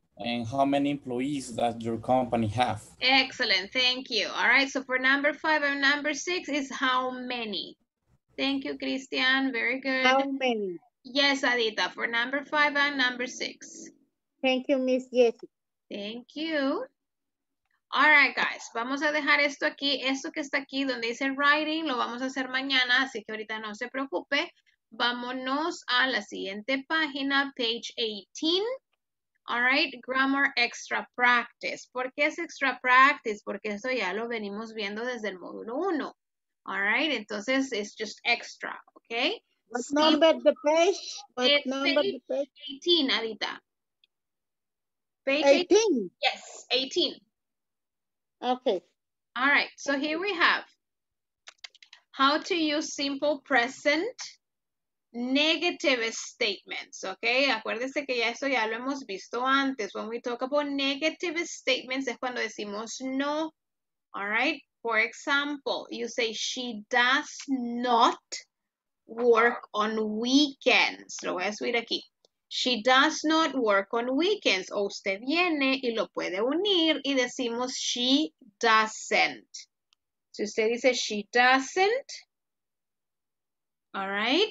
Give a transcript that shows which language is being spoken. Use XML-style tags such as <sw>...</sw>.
<en>And how many employees does your company have? Excellent, thank you. All right, so for number five and number six is how many? Thank you, Christian, very good. How many? Yes, Adita, for number five and number six. Thank you, Miss Jessie. Thank you. All right, guys,</en> <es>vamos a dejar esto aquí. Esto que está aquí donde dice writing lo vamos a hacer mañana, así que ahorita no se preocupe. Vámonos a la siguiente página,</es> <en>page 18. All right, grammar extra practice.</en> <es>¿Por qué es</es> <en>extra practice?</en> <es>Porque esto ya lo venimos viendo desde el módulo 1.</es> <en>All right, entonces it's just extra, ¿ok? What's number the page? It's page 18, Adita. Page 18? Yes, 18. Okay. All right, so here we have how to use simple present. Negative statements, ok.</en> <es>Acuérdese que ya eso ya lo hemos visto antes.</es> <en>When we talk about negative statements,</en> <es>es cuando decimos no.</es> <en>All right. For example, you say she does not work on weekends.</en> <es>Lo voy a subir aquí.</es> <en>She does not work on weekends.</en> <es>O usted viene y lo puede unir y decimos</es> <en>she doesn't.</en> <es>Si usted dice</es> <en>she doesn't, All right.</en>